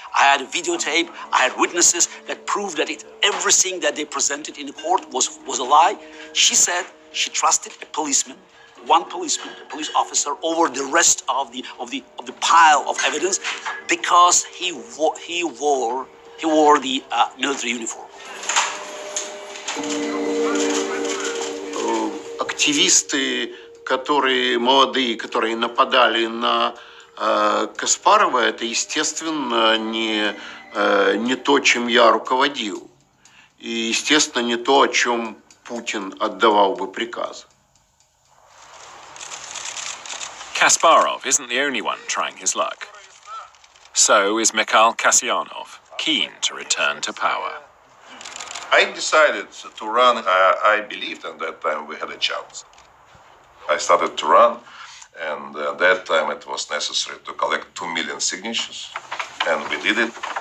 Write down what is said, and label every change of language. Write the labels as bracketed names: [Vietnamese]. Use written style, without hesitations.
[English] I had a videotape, I had witnesses that proved that everything that they presented in the court was a lie. She said she trusted a policeman, one policeman, a police officer, over the rest of the pile of evidence because he wore the military uniform. [Russian] Activisti, которые молодые, которые нападали на Каспарова, это, естественно, не то, чем я руководил. И, естественно, не то, о чем Путин отдавал бы приказ. [English] Kasparov isn't the only one trying his luck. So is Mikhail Kasyanov, keen to return to power. I decided to run. I believed at that time we had a chance. I started to run, and at that time it was necessary to collect 2 million signatures, and we did it.